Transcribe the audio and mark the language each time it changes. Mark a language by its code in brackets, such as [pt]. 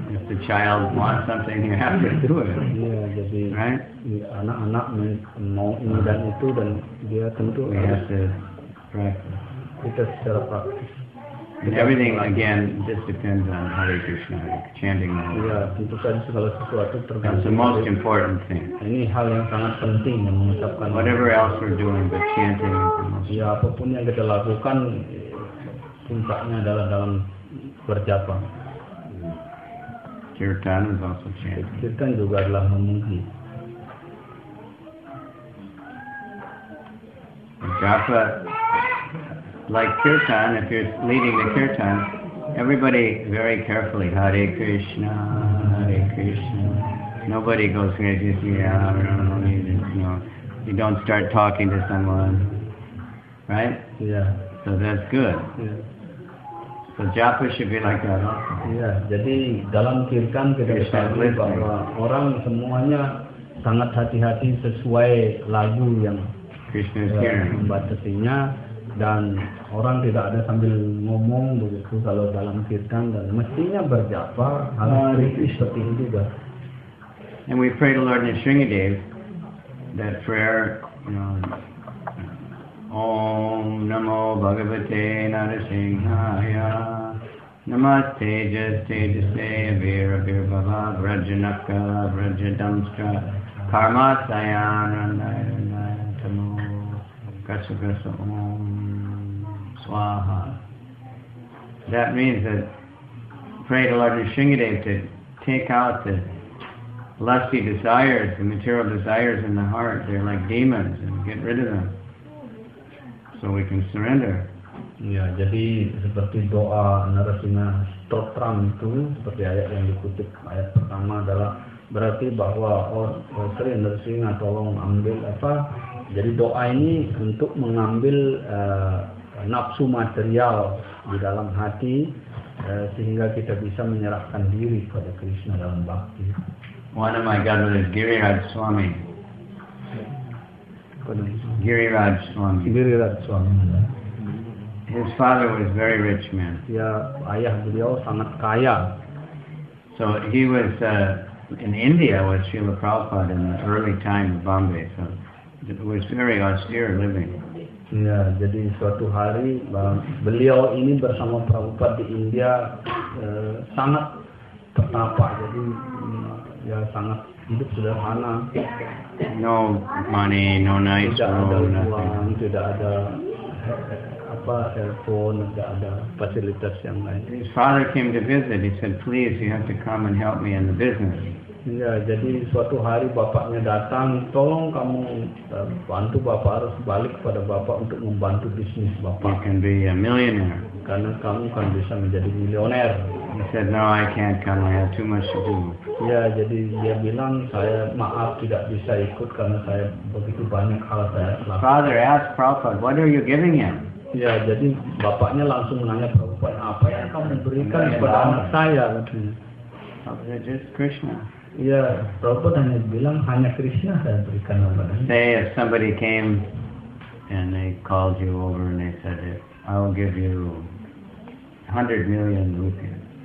[en] If the child wants something, you have to do it. [id] Ya, jadi [en] right? [id] Anak-anak mau ini dan itu, dan dia tentu [en] we [id] harus [en] to practice. [id] Kita secara praktis. [en] And everything again just depends on Hare Krishna, chanting Hare. [id] Ya, tentu saja segala sesuatu tergantung. [en] That's the most important thing. [id] Ini hal yang sangat penting yang mengucapkan. [en] Whatever else we're doing, but chanting. [id] Ya, apapun yang kita lakukan, puncaknya adalah dalam berjapa. [en] Kirtan is also chanting. [id] Kirtan juga adalah memuji. [en] Japa, like kirtan, if you're leading the kirtan, everybody very carefully, Hare Krishna, Hare Krishna. Nobody goes, hey, just, yeah, I don't know, you don't start talking to someone, right? Yeah. So that's good. Yeah. So japa should be like that. [id] Yeah, jadi dalam kirtan kita ketahui bahwa orang semuanya sangat hati-hati sesuai lagu yang [en] Krishna is hearing. [id] Membatasinya, dan orang tidak ada sambil ngomong begitu kalau dalam kirtan, dan mestinya berjapa hari seperti itu juga. [en] And we pray to Lord Nrisimhadev that prayer, [sa] Om Namo Bhagavate Narasimhaya Namaste Jaste Jaste Abir Abir Bhava Vrajanaka Vrajadamstra Karmasayana Nairana Tamo Gasa Gasa Om Swaha. [en] That means that pray to Lord Nrisimhadev to take out the lusty desires, the material desires in the heart. They're like demons, and get rid of them so we can surrender. [id] Ya, jadi seperti doa Narasimha Stotram itu, seperti ayat yang dikutip, ayat pertama adalah berarti bahwa Sri Nrisimha tolong ambil apa? Jadi doa ini untuk mengambil nafsu material di dalam hati sehingga kita bisa menyerahkan diri kepada Krishna dalam bakti. [en] One of my godmothers, Giriraj Swami. Giriraj Swami. Giriraj Swami. His father was a very rich man. [id] Ya, ayah beliau sangat kaya. [en] So he was in India with Srila Prabhupada in the early time of Bombay. So it was very austere living. [id] Ya, jadi suatu hari beliau ini bersama Prabhupada di India sangat terpapar. Jadi ya sangat hidup sederhana. [en] No money, no nice, [id] tidak [en] no [id] ada uang, [en] nothing. [id] Tidak ada apa, telepon, tidak ada fasilitas yang lain. [en] His father came to visit. He said, "Please, you have to come and help me in the business." [id] Ya, jadi suatu hari bapaknya datang, tolong kamu bantu bapak, harus balik kepada bapak untuk membantu bisnis bapak. [en] You can be a millionaire. [id] Karena kamu kan bisa menjadi miliuner. [en] He said, "No, I can't come. I have too much to do." [id] Ya, jadi dia bilang, "Saya maaf tidak bisa ikut karena saya begitu banyak hal saya." [en] His father asked Prabhupada, "What are you giving him?" [id] Ya, jadi bapaknya langsung menanya Prabhupada, "Apa yang kamu berikan kepada anak saya?" [en] Prabhupada, just Krishna. [id] Ya, Prabhupada hanya bilang, hanya Krishna saya berikan kepada. [en] Say if somebody came and they called you over and they said, "I will give you 100 million rupees."